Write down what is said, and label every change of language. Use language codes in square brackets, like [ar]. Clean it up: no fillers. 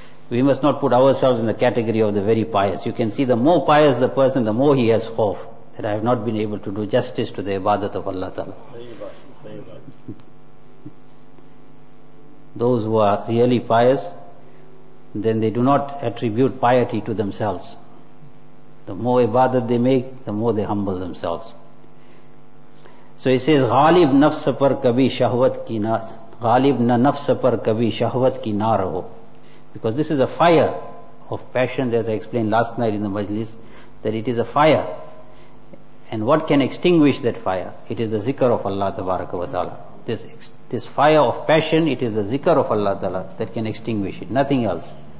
[en] We must not put ourselves in the category of the very pious. You can see the more pious the person, the more he has khawf that I have not been able to do justice to the ibadat of Allah Ta'ala. Those who are really pious, then they do not attribute piety to themselves. The more ibadat they make, the more they humble themselves. So he says, [ur] غالب نفس پر کبھی شہوت کی نار غالب نہ نفس پر کبھی شہوت کی نار ہو. [en] Because this is a fire of passions, as I explained last night in the majlis, that it is a fire. And what can extinguish that fire? It is the zikr of Allah tabaraka wa ta'ala. This fire of passion, it is the zikr of Allah ta'ala that can extinguish it, nothing else.